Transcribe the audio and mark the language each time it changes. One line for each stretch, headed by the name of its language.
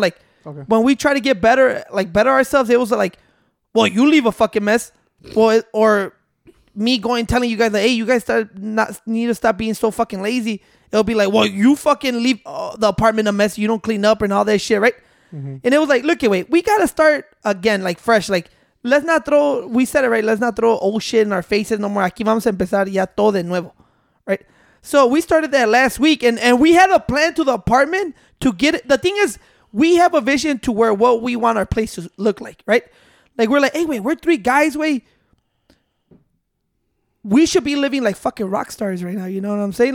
English: Like, okay, when we try to get better, like better ourselves, it was like, well, you leave a fucking mess, or me going telling you guys that, hey, you guys need to stop being so fucking lazy. It'll be like, well, you fucking leave the apartment a mess. You don't clean up and all that shit, right? Mm-hmm. And it was like, look, wait, we got to start again, like fresh. Like, let's not throw, we said it right, let's not throw old shit in our faces no more.
Spanish: Aquí vamos a empezar ya todo de nuevo, right?
English: So we started that last week, and we had a plan to the apartment to get it. The thing is, we have a vision to where what we want our place to look like, right? Like, we're like, hey, wait, we're three guys, we should be living like fucking rock stars right now. You know what I'm saying?